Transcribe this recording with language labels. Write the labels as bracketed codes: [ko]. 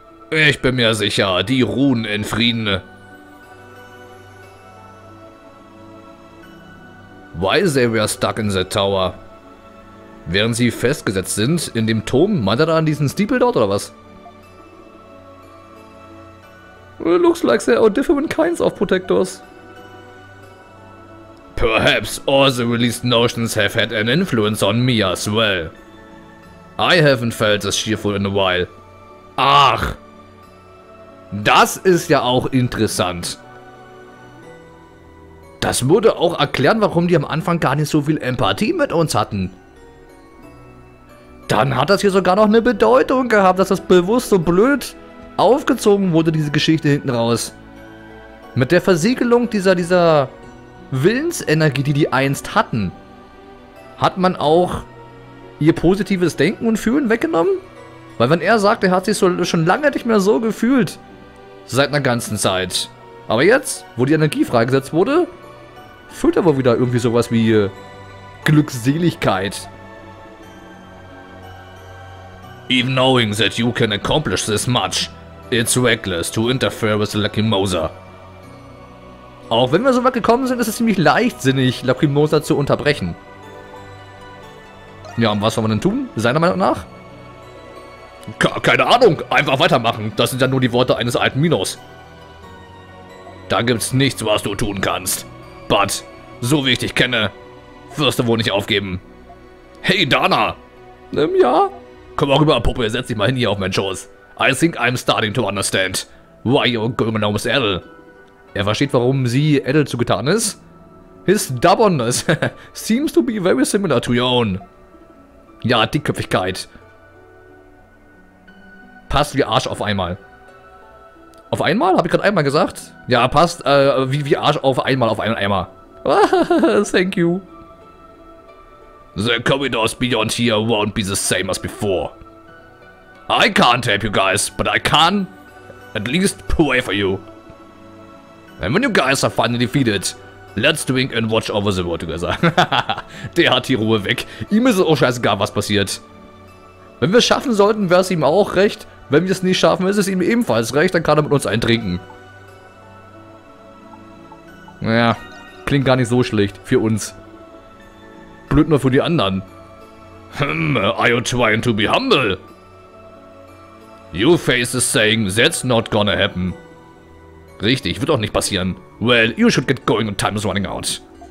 [de] Ich bin mir sicher, die ruhen in Frieden. [en] Why they were stuck in the tower? [de] Während sie festgesetzt sind in dem Turm, meint er da an diesen Stiepel dort oder was? [en] It looks like there are different kinds of protectors. Perhaps all the released notions have had an influence on me as well. I haven't felt this cheerful in a while. [de] Ach! Das ist ja auch interessant. Das würde auch erklären, warum die am Anfang gar nicht so viel Empathie mit uns hatten. Dann hat das hier sogar noch eine Bedeutung gehabt, dass das bewusst so blöd aufgezogen wurde, diese Geschichte hinten raus. Mit der Versiegelung dieser Willensenergie, die einst hatten, hat man auch ihr positives Denken und Fühlen weggenommen? Weil wenn er sagt, er hat sich so, schon lange nicht mehr so gefühlt, seit einer ganzen Zeit. Aber jetzt, wo die Energie freigesetzt wurde, fühlt er wohl wieder irgendwie sowas wie Glückseligkeit. [en] Even knowing that you can accomplish this much, it's reckless to interfere with the Lacrimosa. [de] Auch wenn wir so weit gekommen sind, ist es ziemlich leichtsinnig, Lacrimosa zu unterbrechen. Ja, und was soll man denn tun, seiner Meinung nach? Keine Ahnung, einfach weitermachen. Das sind ja nur die Worte eines alten Minos. Da gibt's nichts, was du tun kannst. But, so wie ich dich kenne, wirst du wohl nicht aufgeben. Hey, Dana! Ja? Komm mal rüber, Puppe, setz dich mal hin hier auf mein Schoß. [en] I think I'm starting to understand why you're going to miss Adel. [de] Er versteht, warum sie Adel zugetan ist. [en] His stubbornness seems to be very similar to your own. [de] Ja, Dickköpfigkeit. Passt wie Arsch auf einmal. Auf einmal? Habe ich gerade einmal gesagt? Ja, passt wie Arsch auf einmal auf einen Eimer. [en] Thank you. The corridors beyond here won't be the same as before. I can't help you guys, but I can at least pray for you. And when you guys are finally defeated, let's drink and watch over the world together. [de] Der hat die Ruhe weg. Ihm ist es auch scheißegal, was passiert. Wenn wir es schaffen sollten, wäre es ihm auch recht. Wenn wir es nicht schaffen, ist es ihm ebenfalls recht. Dann kann er mit uns eintrinken. Naja, klingt gar nicht so schlecht für uns. Blöd nur für die anderen. [en] Hm, are you trying to be humble? Your face is saying that's not gonna happen. [de] Richtig, wird auch nicht passieren. [en] Well, you should get going and time is running out.